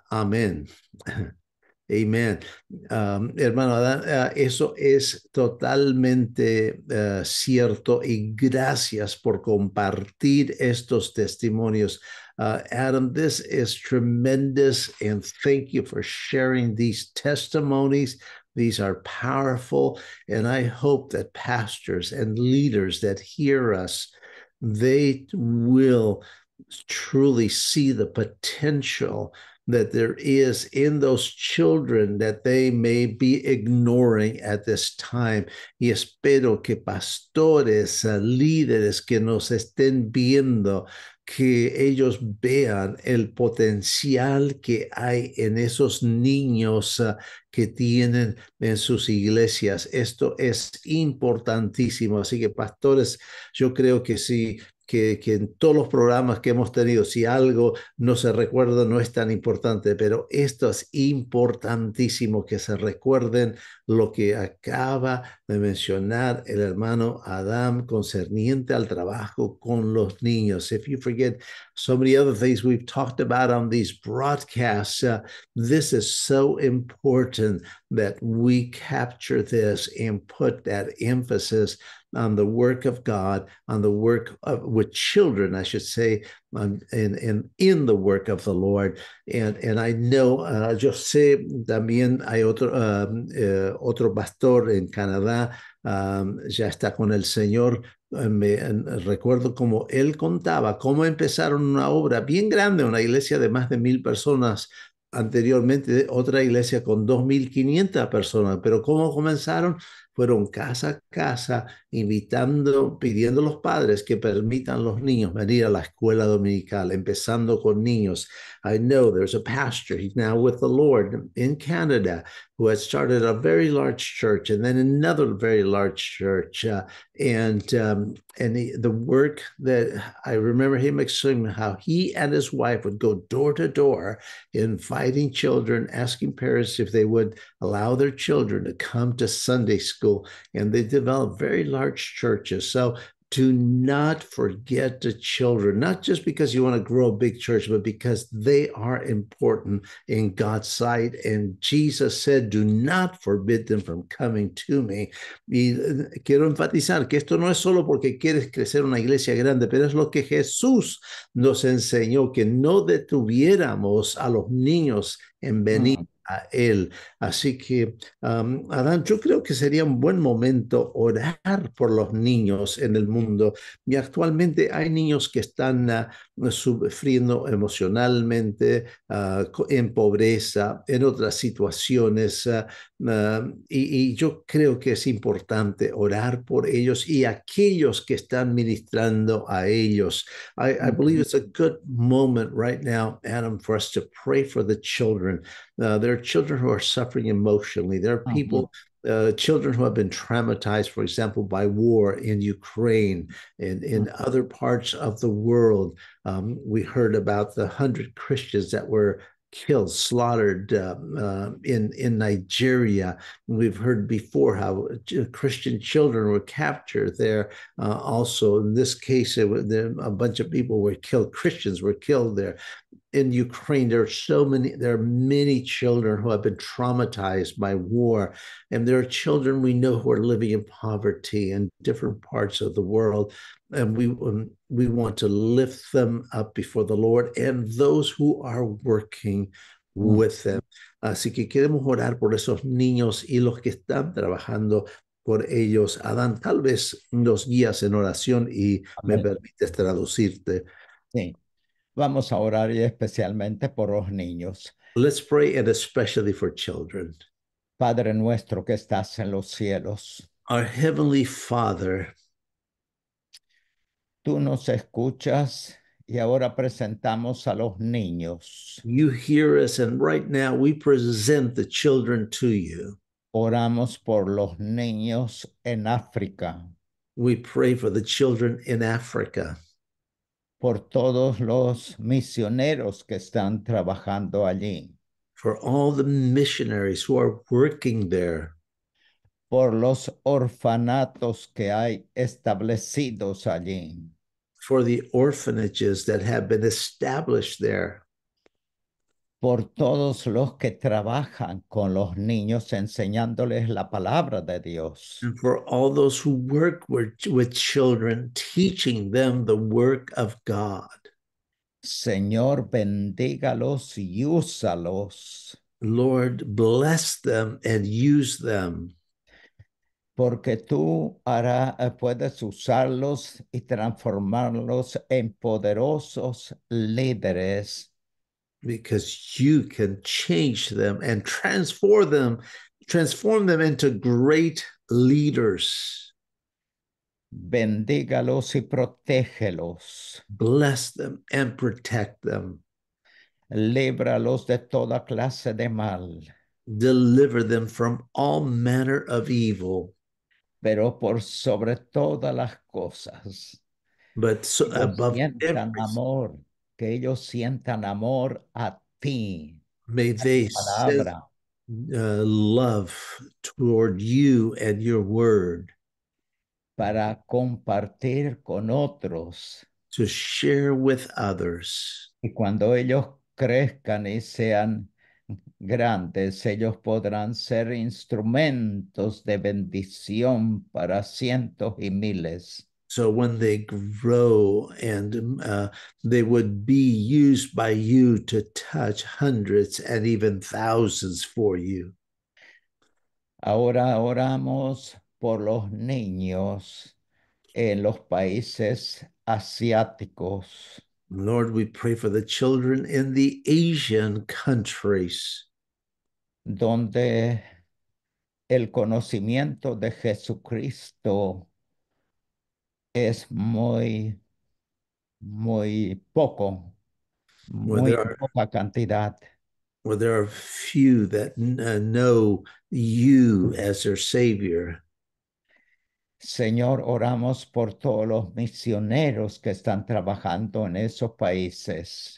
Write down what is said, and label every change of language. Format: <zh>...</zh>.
<en>Amen. Amen.</en> <es>Hermano, eso es totalmente cierto y gracias por compartir estos testimonios.</es> <en>Adam, this is tremendous and thank you for sharing these testimonies. These are powerful and I hope that pastors and leaders that hear us, they will truly see the potential that there is in those children that they may be ignoring at this time.</en> <es>Y espero que pastores, líderes que nos estén viendo, que ellos vean el potencial que hay en esos niños que tienen en sus iglesias. Esto es importantísimo. Así que pastores, yo creo que sí. Que en todos los programas que hemos tenido, si algo no se recuerda, no es tan importante, pero esto es importantísimo que se recuerden lo que acaba de mencionar el hermano Adam concerniente al trabajo con los niños.</es> <en>If you forget so many other things we've talked about on these broadcasts, this is so important that we capture this and put that emphasis on the work of God, on the work of, with children, I should say, in the work of the Lord. And I know,</en> <es>yo sé, también hay otro pastor en Canadá, ya está con el Señor. Recuerdo cómo él contaba cómo empezaron una obra bien grande, una iglesia de más de 1,000 personas. Anteriormente, otra iglesia con 2,500 personas, pero ¿cómo comenzaron? Fueron casa a casa, invitando, pidiendo a los padres que permitan a los niños venir a la escuela dominical, empezando con niños.</es> <en>I know there's a pastor, he's now with the Lord in Canada, who has started a very large church and then another very large church. And the work that I remember him explaining, how he and his wife would go door to door, inviting children, asking parents if they would allow their children to come to Sunday school. And they developed very large churches. So do not forget the children, not just because you want to grow a big church, but because they are important in God's sight. And Jesus said, do not forbid them from coming to me.</en> <es>Y quiero enfatizar que esto no es solo porque quieres crecer una iglesia grande, pero es lo que Jesús nos enseñó, que no detuviéramos a los niños en venir a él. Así que, Adán, yo creo que sería un buen momento orar por los niños en el mundo. Y actualmente hay niños que están sufriendo emocionalmente, en pobreza, en otras situaciones. Y yo creo que es importante orar por ellos y aquellos que están ministrando a ellos.</es> <en>I believe it's a good moment right now, Adam, for us to pray for the children. There are children who are suffering emotionally. There are people, children who have been traumatized, for example, by war in Ukraine and in other parts of the world. We heard about the 100 Christians that were killed, slaughtered in Nigeria. We've heard before how Christian children were captured there. Also, in this case, a bunch of people were killed. Christians were killed there. In Ukraine, there are many children who have been traumatized by war. And there are children we know who are living in poverty in different parts of the world. And we want to lift them up before the Lord and those who are working with them.</en> <es>Así que queremos orar por esos niños y los que están trabajando por ellos. Adán, tal vez nos guías en oración y me permites traducirte. Sí. Vamos a orar y especialmente por los niños.</es> <en>Let's pray and especially for children.</en> <es>Padre nuestro que estás en los cielos.</es> <en>Our Heavenly Father.</en> <es>Tú nos escuchas y ahora presentamos a los niños.</es> <en>You hear us and right now we present the children to you.</en> <es>Oramos por los niños en África.</es> <en>We pray for the children in Africa.</en> <es>Por todos los misioneros que están trabajando allí.</es> <en>For all the missionaries who are working there.</en> <es>Por los orfanatos que hay establecidos allí.</es> <en>For the orphanages that have been established there.</en> <es>Por todos los que trabajan con los niños enseñándoles la palabra de Dios.</es> <en>And for all those who work with children, teaching them the work of God.</en> <es>Señor, bendígalos y úsalos.</es> <en>Lord, bless them and use them.</en> <es>Porque tú puedes usarlos y transformarlos en poderosos líderes.</es> <en>Because you can change them and transform them into great leaders.</en> <es>Bendígalos y protégelos.</es> <en>Bless them and protect them.</en> <es>Líbralos de toda clase de mal.</es> <en>Deliver them from all manner of evil.</en> <es>Pero por sobre todas las cosas.</es> <en>But so, above everything.</en> <es>Amor. Que ellos sientan amor a ti.</es> <en>May they sense love toward you and your word.</en> <es>Para compartir con otros.</es> <en>To share with others.</en> <es>Y cuando ellos crezcan y sean grandes, ellos podrán ser instrumentos de bendición para cientos y miles.</es> <en>So when they grow and they would be used by you to touch hundreds and even thousands for you.</en> <es>Ahora oramos por los niños en los países asiáticos.</es> <en>Lord, we pray for the children in the Asian countries.</en> <es>Donde el conocimiento de Jesucristo es muy, muy poco, muy poca cantidad.</es> <en>Where there are few that know you as their Savior.</en> <es>Señor, oramos por todos los misioneros que están trabajando en esos países.</es>